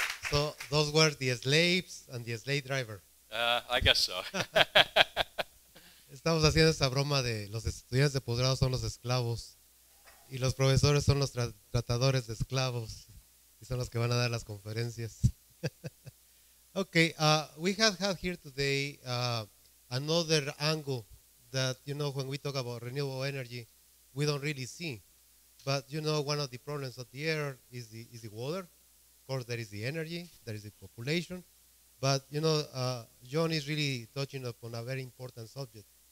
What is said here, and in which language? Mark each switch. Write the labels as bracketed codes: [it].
[en] So those were the slaves and the slave driver. I guess so. [es] Estamos haciendo esa broma de los estudiantes de posgrado son los esclavos y los profesores son los tratadores de esclavos y son los que van a dar las conferencias. [en] Okay, we have had here today another angle that, you know, when we talk about renewable energy, we don't really see. But, you know, one of the problems of the air is the water. Of course, there is the energy, there is the population. But, you know, John is really touching upon a very important subject.